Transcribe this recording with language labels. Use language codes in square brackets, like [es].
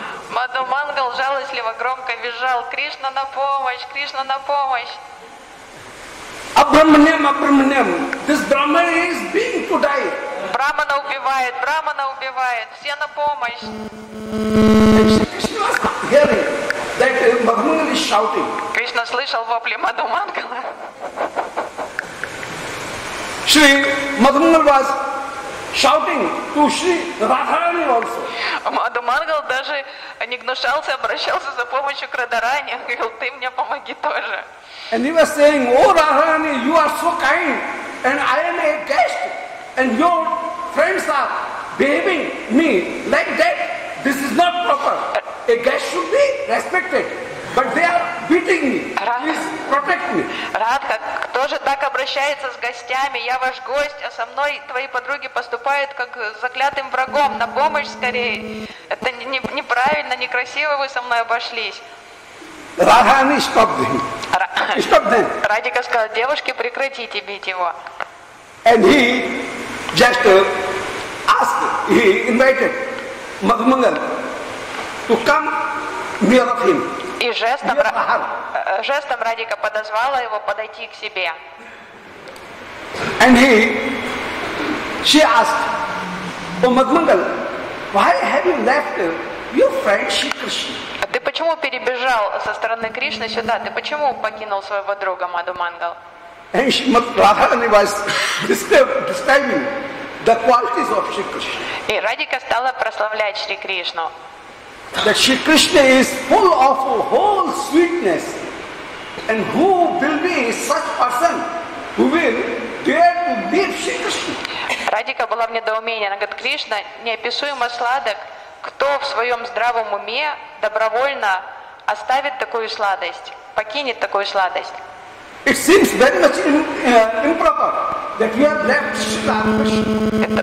[ru] Madhu Mangal жалостливо громко визжал, Кришна на помощь, Кришна на помощь. [sa] Абраманьям, абраманьям, [en] this Brahman is being to die. [ru] Брамана убивает, все на помощь. [en] Кришна was hearing that Madhu Mangal is shouting. [ru] Кришна слышал вопли Madhu Mangal. [en] Shri Madhu Mangal was shouting to Shri Radharani also. [ru] Madhu Mangal даже не гнушался, обращался за помощью к Радарани, говорил, ты мне помоги тоже. [en] And he was saying, "O Radharani, you are so kind, and I am a guest, and your friends are behaving me like that. This is not proper. A guest should be respected, but they are beating me. Please protect me." [ru] Радха, кто же так обращается с гостями? Я ваш гость, а со мной твои подруги поступают как с заклятым врагом. На помощь скорее. Это неправильно, некрасиво вы со мной обошлись. [en] Radharani, stop them. Stop them. [ru] Радика сказал, девушки, прекратите бить его. [en] And he just asked, he invited Madhu Mangal to come near of him. [ru] И жестом Радика подозвала его подойти к себе. [en] And she asked, "Oh, Madhu Mangal, why have you left your friend Shri Krishna?" [ru] Ты почему перебежал со стороны Кришны сюда? Ты почему покинул своего друга Madhu Mangal? И Радика стала прославлять Шри Кришну. [en] That Shri Krishna is full of whole sweetness, and who will be such person who will dare to meet Shri Krishna? [ru] Радика была в недоумении. Она говорит, Кришна неописуемо сладок. Кто в своем здравом уме добровольно оставит такую сладость, покинет такую сладость? Это,